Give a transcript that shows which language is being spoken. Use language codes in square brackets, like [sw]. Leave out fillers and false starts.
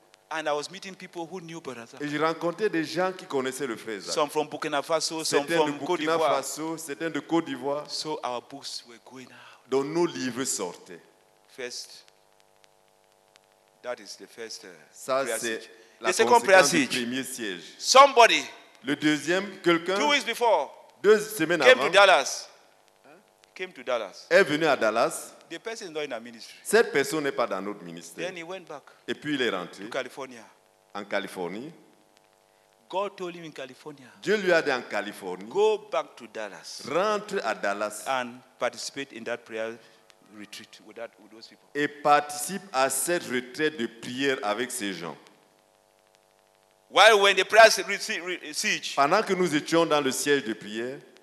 [en] And I was meeting people who knew Brother Zach. [fr] Et j'ai rencontré des gens qui connaissaient le frère Zach. [en] Some from Burkina Faso, some from Côte d'Ivoire. [fr] Certains de Burkina Faso, certains de Côte d'Ivoire. [en] So our books were going out. [fr] Donc nos livres sortaient. [en] First, that is the first. [fr] Ça c'est la [en] the second prayer siege. [fr] Premier siège. [en] Somebody. [fr] Le deuxième, quelqu'un. [en] 2 weeks before. [fr] Deux semaines [en] came [fr] avant. [en] Came to Dallas. Hein? Came to Dallas. [fr] Est venu à Dallas. [en] The person is not in our ministry. [fr] Cette personne n'est pas dans notre ministère. [en] Then he went back. [fr] Et puis il est rentré. [en] To California. [fr] En Californie. [en] God told him in California. [fr] Dieu lui a dit en Californie. [en] Go back to Dallas. [fr] Rentre à Dallas. [en] And participate in that prayer retreat with those people. [fr] Et participe à cette retraite de prière avec ces gens. [en] While when the prayer siege. [fr] Pendant que nous étions dans le siège de prière.